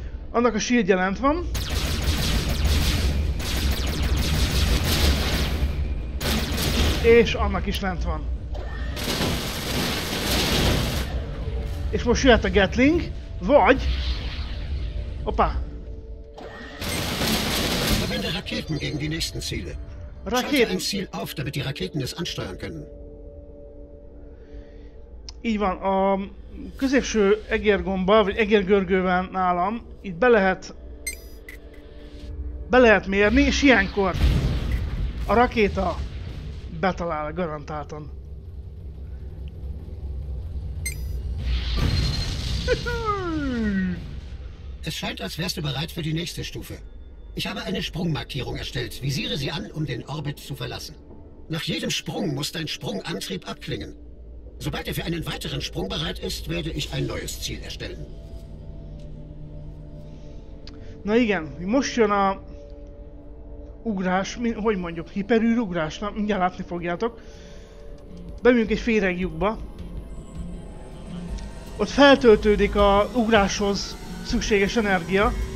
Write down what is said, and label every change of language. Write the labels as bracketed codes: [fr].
[hu] Annak a shield jelent van. És annak is lent van. És most jöhet a Gatling, vagy... Opa! [de] Verwende Raketen gegen die nächsten Ziele. Raketen. Schalte ein Ziel auf, damit die Raketen es ansteuern können. [hu] Így van, a középső egérgombbal, vagy egérgörgővel nálam, itt be lehet mérni, és ilyenkor a rakéta betalál garantáltan. [de] Es scheint, als wärst du bereit für die nächste Stufe. Ich habe eine Sprungmarkierung erstellt. Visiere sie an, den Orbit zu verlassen. Nach jedem Sprung muss dein Sprungantrieb abklingen. Sobald für einen weiteren Sprung bereit ist, werde ich ein neues Ziel erstellen. [hu] Na igen, most jön a ugrás, hogy mondjuk, hiperűrugrás, na mindjárt látni fogjátok. Bemünk egy féregjukba. Ott feltöltődik a ugráshoz szükséges energia.